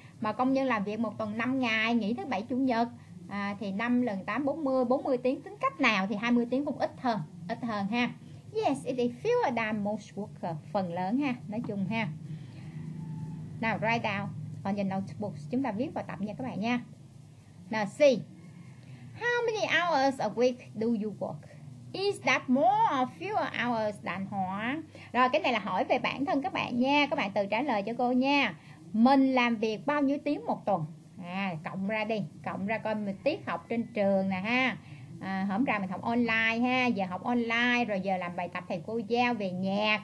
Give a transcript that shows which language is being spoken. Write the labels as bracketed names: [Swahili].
[Vietnamese] Mà công nhân làm việc một tuần 5 ngày, nghỉ thứ bảy chủ nhật, thì 5 lần 8, 40, 40 tiếng. Tính cách nào thì 20 tiếng cũng ít hơn. Ít hơn ha. [English] Yes, it is fewer than most workers. [Vietnamese] Phần lớn ha, nói chung ha. [English] Now write down on your notebook. [Vietnamese] Chúng ta viết vào tập nha các bạn nha. [English] Now see. How many hours a week do you work? Is that more or fewer hours than Hoa? [Vietnamese] Rồi cái này là hỏi về bản thân các bạn nha. Các bạn tự trả lời cho cô nha. Mình làm việc bao nhiêu tiếng một tuần? À, cộng ra đi. Cộng ra coi mình tiết học trên trường nè ha. À, hôm ra mình học online ha. Giờ học online rồi giờ làm bài tập thầy cô giao về nhà.